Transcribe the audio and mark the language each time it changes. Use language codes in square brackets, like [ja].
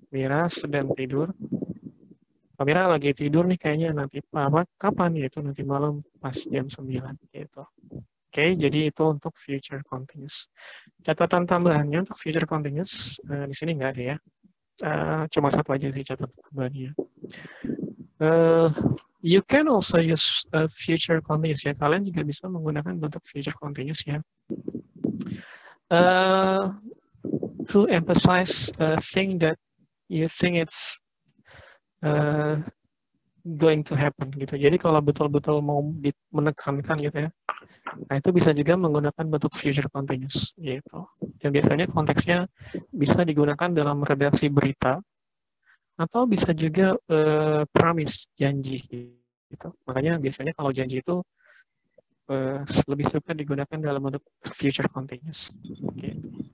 [id] Mira sedang tidur. Pak Mira lagi tidur nih kayaknya nanti apa kapan ya itu nanti malam pas jam 9 gitu. Oke, jadi itu untuk future continuous. Catatan tambahannya untuk future continuous di sini enggak ada ya. Cuma satu aja sih catatan tambahannya. [en] You can also use a future continuous ya. [id] Kalian juga bisa menggunakan bentuk future continuous ya. [en] To emphasize a thing that you think it's going to happen gitu. [id] Jadi kalau betul-betul mau menekankan gitu ya. Nah, itu bisa juga menggunakan bentuk future continuous gitu. Dan biasanya konteksnya bisa digunakan dalam redaksi berita atau bisa juga promise, janji gitu. Makanya biasanya kalau janji itu lebih suka digunakan dalam bentuk future continuous gitu.